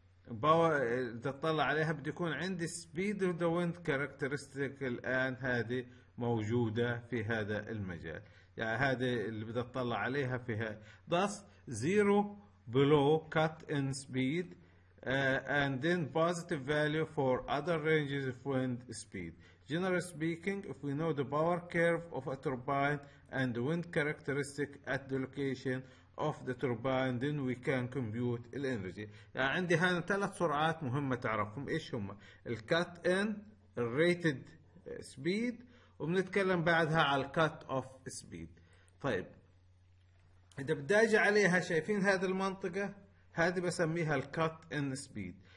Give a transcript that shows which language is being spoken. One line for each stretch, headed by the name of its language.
Arabic: باور بدي أطلع عليها بدي يكون عندي
English: speed of the wind characteristic
Arabic: الآن هذه موجودة في هذا المجال. يعني هذه اللي بدي أطلع عليها فيها.
English: Thus zero below cut in speed. And then positive value for other ranges of wind speed. Generally speaking, if we know the power curve of a turbine and the wind characteristic at the location of the turbine, then we can compute the energy.
Arabic: يعني عندي هنا ثلاث سرعات مهمة تعرفهم إيش هما. الكات إن الريتد سبيد، وبنتكلم بعدها على الكات أوف سبيد. طيب إذا بدي أجي عليها، شايفين هذه المنطقة؟ هذه بسميها الكات ان سبيد.